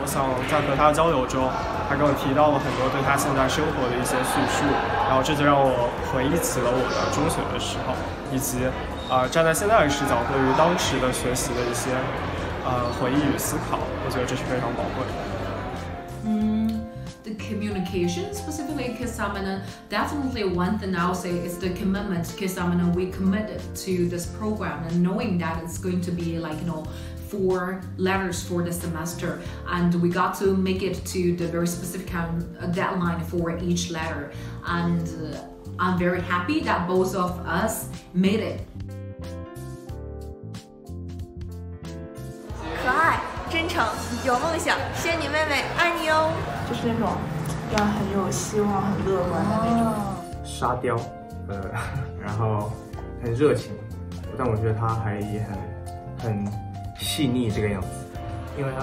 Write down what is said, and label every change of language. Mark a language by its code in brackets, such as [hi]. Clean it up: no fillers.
[zh] 我想在和他交流中，他跟我提到了很多对他现在生活的一些叙述，然后这就让我回忆起了我的中学的时候，以及站在现在的视角对于当时的学习的一些回忆与思考，我觉得这是非常宝贵的。 [en] The communication specifically, definitely one thing I'll say is the commitment, we committed to this program and knowing that it's going to be like, you know,four letters for the semester, and we got to make it to the very specific deadline for each letter, and I'm very happy that both of us made it. [zh] 可爱、真诚、有梦想，仙女妹妹爱你哦。就是那种要很有希望、很乐观的那种。沙雕，然后很热情，但我觉得他还也很细腻这个样子，因为她